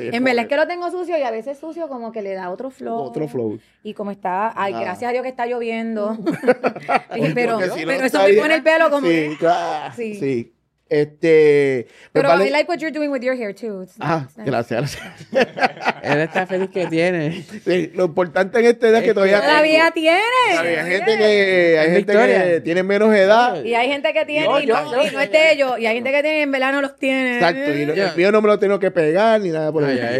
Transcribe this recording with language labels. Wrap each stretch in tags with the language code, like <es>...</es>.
<es>En verdad es que lo tengo sucio y a veces sucio como que le da otro flow. Y como está, gracias a Dios que está lloviendo. pero eso me pone el pelo como... Sí, claro. Sí. Pero vale.</es> <en>I like what you're doing with your hair too. It's nice.</en> <es>Gracias. Él está feliz que tiene. Sí, lo importante en este día es que todavía tengo. Todavía tiene. Hay gente que tiene menos edad. Y hay gente que tiene, no es de ellos. Y hay gente que tiene y en verdad no los tiene. Exacto. Y el mío no me lo tengo que pegar ni nada por ahí.</es>